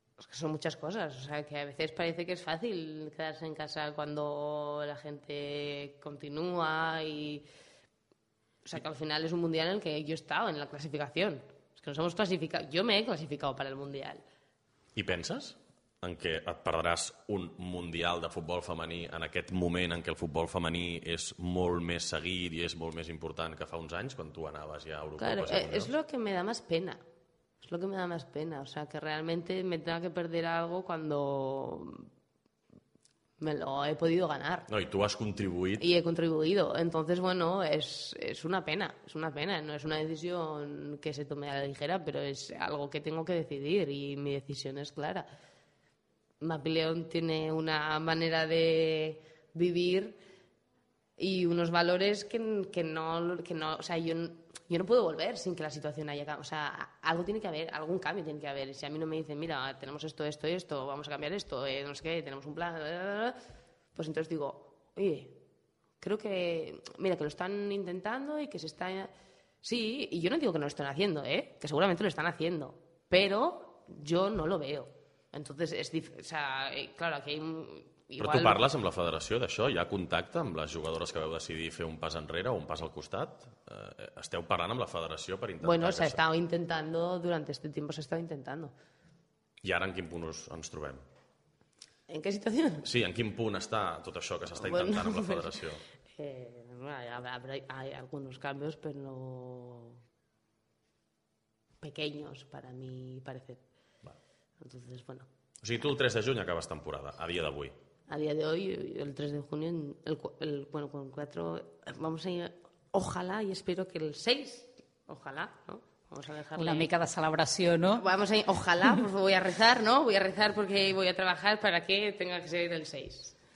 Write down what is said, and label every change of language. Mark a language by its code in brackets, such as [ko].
[es] Son muchas cosas, o sea, que a veces parece que es fácil quedarse en casa cuando la gente continúa y... O sea, que al final es un mundial en el que yo he estado en la clasificación. Es que nos hemos clasificado... Yo me he clasificado para el mundial. ¿Y piensas en que [ca] et perdràs un mundial de futbol femení en aquest moment en què el futbol femení és molt més seguit i és molt més important que fa uns anys quan tu anaves ja a Europa? [es] Claro, es lo que me da más pena. Es lo que me da más pena, o sea, que realmente me tenga que perder algo cuando me lo he podido ganar. No, y tú has contribuido. Y he contribuido. Entonces, bueno, es una pena. No es una decisión que se tome a la ligera, pero es algo que tengo que decidir y mi decisión es clara. Mapi León tiene una manera de vivir y unos valores que no, o sea, yo no puedo volver sin que la situación haya cambiado. O sea, algo tiene que haber, algún cambio tiene que haber. Si a mí no me dicen, mira, tenemos esto, vamos a cambiar esto, no sé qué, tenemos un plan, pues entonces digo, oye, creo que, mira, que lo están intentando y que se está... Sí, y yo no digo que no lo estén haciendo, que seguramente lo están haciendo, pero yo no lo veo. Entonces, claro, aquí hay... [ca] Però tu parles amb la federació d'això? Hi ha contacte amb les jugadores que veu decidir fer un pas enrere o un pas al costat? Esteu parlant amb la federació per intentar... [es] Bueno, se ha estado intentando durante este tiempo. [ca] I ara en quin punt ens trobem? [es] ¿En qué situación? [ca] Sí, en quin punt està tot això que s'està intentant amb la federació? [es] Hay algunos cambios, pero no... pequeños, para mi parecer. Vale. Entonces, bueno... [ca] O sigui, tu el 3 de juny acabes temporada, a dia d'avui. [es] A día de hoy, el 3 de junio, con 4, vamos a ir, ojalá, y espero que el 6, ojalá, ¿no? Vamos a dejarle... [ca] Una mica de celebración, ¿no? [es] Vamos a ir, ojalá, pues voy a rezar, ¿no? Voy a rezar porque voy a trabajar para que tenga que ser el 6.